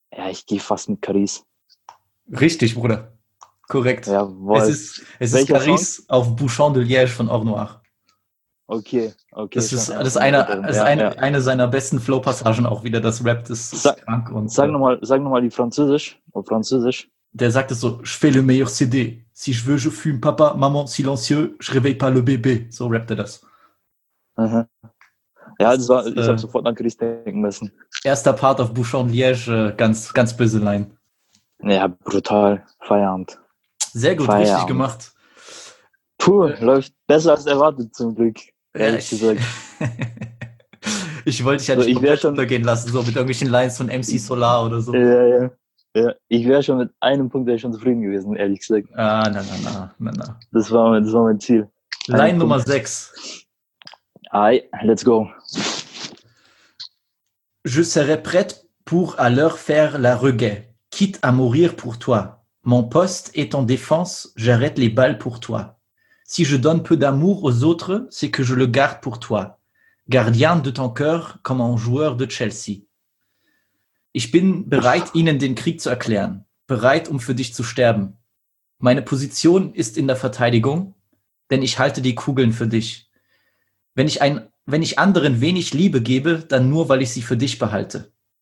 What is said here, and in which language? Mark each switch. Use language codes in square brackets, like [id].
[de] Ich gehe fast mit Karis. Richtig, Bruder. Korrekt. Jawohl. Es ist Karis Song? Auf Bouchon de Liège von Or Noir. Okay. Das ist eine seiner besten Flow-Passagen auch wieder. Das Rap ist krank. Und sag nochmal die Französisch. Auf Französisch. Der sagt es so, [fr] je fais le meilleur CD. Si je veux, je fume Papa, Maman, silencieux, je réveille pas le bébé. [de] So rappt er das. Aha. Ich habe sofort an Chris denken müssen. Erster Part auf Bouchon Liège, ganz, ganz böse Line. Ja, brutal. Feierabend. Sehr gut, Feierabend. Richtig gemacht. Puh, läuft besser als erwartet zum Glück. Ehrlich gesagt. Ich wollte dich ja nicht mal runtergehen lassen, so mit irgendwelchen Lines von MC Solar oder so. Ja. Ja, ich wäre schon mit einem Punkt wäre schon zufrieden gewesen, ehrlich gesagt. Na. Das war mein Ziel. Line Nummer 6. [en] Aye, let's go. [fr] Je serai prête pour à l'heure faire la reggae, quitte à mourir pour toi. Mon poste est en défense, j'arrête les balles pour toi. Si je donne peu d'amour aux autres, c'est que je le garde pour toi. Gardien de ton cœur comme un joueur de Chelsea. [de] Ich bin bereit, ihnen den Krieg zu erklären. Bereit, um für dich zu sterben. Meine Position ist in der Verteidigung, denn ich halte die Kugeln für dich. Wenn ich anderen wenig Liebe gebe, dann nur, weil ich sie für dich behalte.